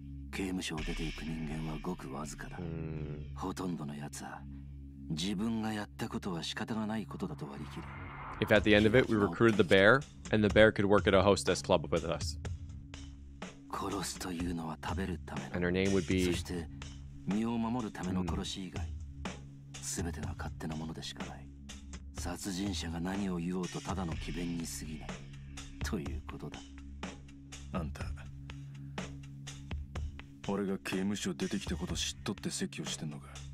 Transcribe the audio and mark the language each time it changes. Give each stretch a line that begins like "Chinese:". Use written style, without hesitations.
Japanese: 刑務所を出ていく人間はごくわずかだ。ほとんどのやつは自分がやったことは仕方がないことだと割り切る。
English: If at the end of it we recruited the bear and the bear could work at a hostess club with us.
Japanese: 殺すというのは食べるための。
English: And her name would be.
Japanese: そして身を守るための殺し以外、すべては勝手なものでしかない。殺人者が何を言おうとただの奇弁に過ぎないということだ。あんた、俺が刑務所出てきたこと知っとって説教してんのか。